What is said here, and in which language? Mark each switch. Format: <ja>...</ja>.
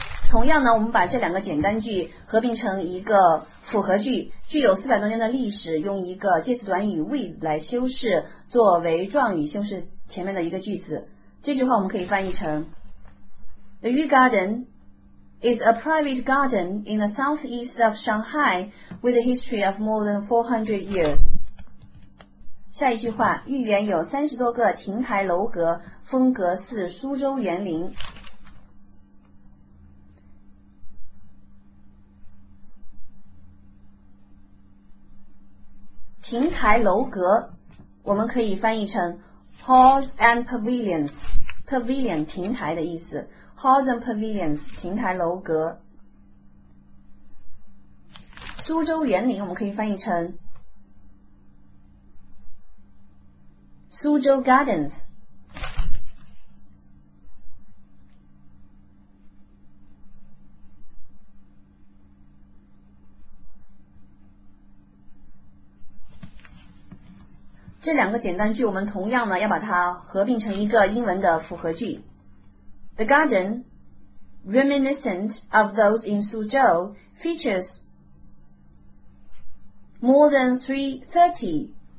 <zh>同样呢，我们把这两个简单句合并成一个复合句，具有400多年的历史，用一个介词短语 with 来修饰，作为状语修饰前面的一个句子。这句话我们可以翻译成 The Yew Garden.</zh> <en>Is a private garden in the southeast of Shanghai with a history of more than 400 years.</en> <zh>下一句话，御园有30多个亭台楼阁，风格似苏州园林。亭台楼阁，我们可以翻译成</zh> <en>halls and pavilions, pavilion</en> <zh>亭台的意思。</zh> <en>Halls and pavilions, 亭台楼阁。</en> <zh>苏州园林我们可以翻译成 Suzhou Gardens。这两个简单句我们同样呢要把它合并成一个英文的复合句。</zh> <en>The garden, reminiscent of those in Suzhou, features more than 330.</en>